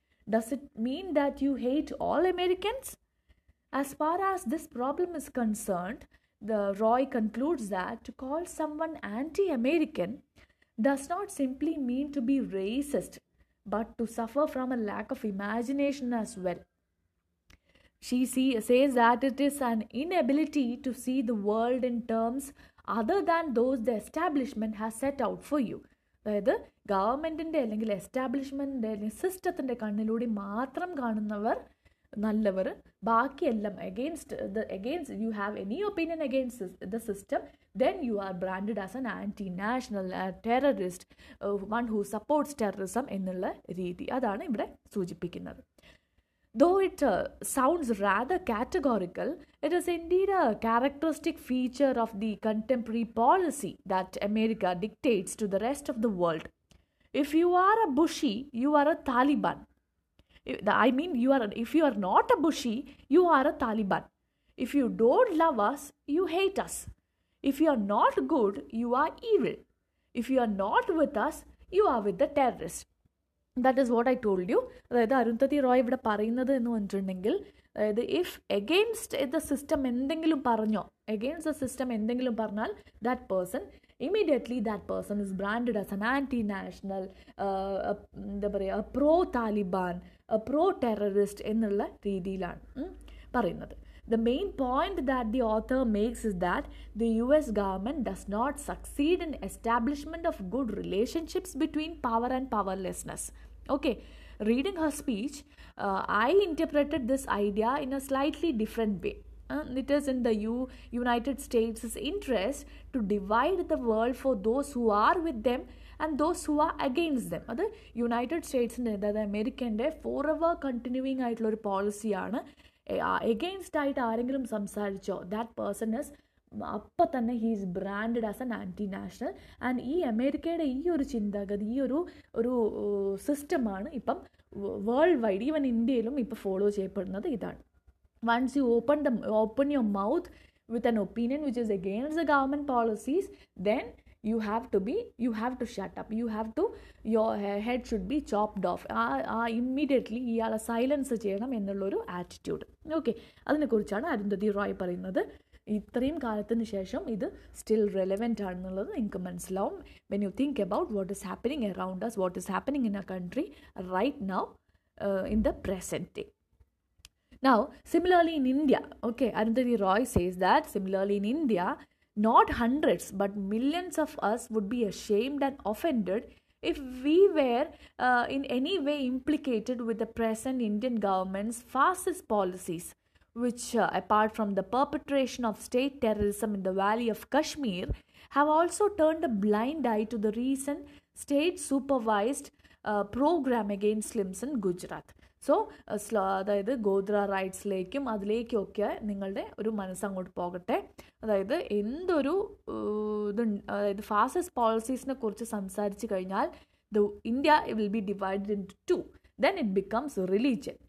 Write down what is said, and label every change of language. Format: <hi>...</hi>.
<en>Does it mean that you hate all Americans? As far as this problem is concerned, the Roy concludes that to call someone anti-American does not simply mean to be racist, but to suffer from a lack of imagination as well. She says that it is an inability to see the world in terms other than those the establishment has set out for you.</en> <ml>അതായത് ഗവൺമെൻറ്റിൻ്റെ അല്ലെങ്കിൽ എസ്റ്റാബ്ലിഷ്മെൻ്റിൻ്റെ അല്ലെങ്കിൽ സിസ്റ്റത്തിൻ്റെ കണ്ണിലൂടെ മാത്രം കാണുന്നവർ നല്ലവർ, ബാക്കിയെല്ലാം</ml> <en>against you have any opinion against the system, then you are branded as an anti national terrorist, one who supports terrorism</en> <ml>എന്നുള്ള രീതി. അതാണ് ഇവിടെ സൂചിപ്പിക്കുന്നത്.</ml> <en>Though it sounds rather categorical, it is indeed a characteristic feature of the contemporary policy that America dictates to the rest of the world. If you are a Bushi, you are a Taliban. If you are not a Bushi, you are a Taliban. If you don't love us, you hate us. If you are not good, you are evil. If you are not with us, you are with the terrorists. That is what I told you.</en> <ml>അതായത് അരുന്ധതി റോയ് ഇവിടെ പറയുന്നത് എന്ന് പറഞ്ഞിട്ടുണ്ടെങ്കിൽ, അതായത്</ml> <en>if against the system</en> <ml>എന്തെങ്കിലും പറഞ്ഞോ,</ml> <en>against the system</en> <ml>എന്തെങ്കിലും പറഞ്ഞാൽ</ml> <en>that person immediately that person is branded as an anti national,</en> <ml>എന്താ പറയുക,</ml> <en>pro Taliban, pro terrorist</en> <ml>എന്നുള്ള രീതിയിലാണ് പറയുന്നത്.</ml> <en>The main point that the author makes is that the US government does not succeed in establishment of good relationships between power and powerlessness. Okay, reading her speech, I interpreted this idea in a slightly different way. It is in the United States' interest to divide the world for those who are with them and those who are against them.</en> <ml>അത് United സ്റ്റേറ്റ്സിൻ്റെ, അതായത് അമേരിക്കൻ്റെ</ml> <en>forever continuing</en> <ml>ആയിട്ടുള്ള ഒരു പോളിസിയാണ്.</ml> <en>Against</en> <ml>ആയിട്ട് ആരെങ്കിലും സംസാരിച്ചോ,</ml> <en>that person is</en> <ml>അപ്പം തന്നെ</ml> <en>He is branded as an anti national.</en> <ml>And ഈ അമേരിക്കയുടെ ഈ ഒരു ചിന്താഗതി, ഈ ഒരു ഒരു സിസ്റ്റമാണ് ഇപ്പം വേൾഡ് വൈഡ്, ഈവൻ ഇന്ത്യയിലും ഇപ്പം ഫോളോ ചെയ്യപ്പെടുന്നത് ഇതാണ്.</ml> <en>Once you open the open your mouth with an opinion which is against the government policies, then you have to be, you have to shut up, you have to, your head should be chopped off.</en> <ml>ആ immediately ഇയാളെ silence ചെയ്യണം എന്നുള്ളൊരു attitude. Okay, അതിനെക്കുറിച്ചാണ് അരുന്ധതി റോയ് പറയുന്നത്. ഇത്രയും കാലത്തിന് ശേഷം ഇത്</ml> <en>still relevant</en> <ml>ആണെന്നുള്ളത് നിങ്ങൾക്ക് മനസ്സിലാവും.</ml> <en>When you think about what is happening around us, what is happening in a country right now in the present day. Now, similarly in India, okay, Arundhati Roy says that similarly in India, not hundreds but millions of us would be ashamed and offended if we were in any way implicated with the present Indian government's fascist policies, which apart from the perpetration of state terrorism in the Valley of Kashmir, have also turned a blind eye to the recent state-supervised program against Muslims in Gujarat.</en> <ml>So അതായത് ഗോത്ര റൈറ്റ്സിലേക്കും അതിലേക്കൊക്കെ നിങ്ങളുടെ ഒരു മനസ്സങ്ങോട്ട് പോകട്ടെ. അതായത് എന്തൊരു ഇതുണ്ട്, അതായത് ഫാസിസ്റ്റ് പോളിസീസിനെ കുറിച്ച് സംസാരിച്ച് കഴിഞ്ഞാൽ</ml> <en>The India will be divide in two, then it becomes religion.</en>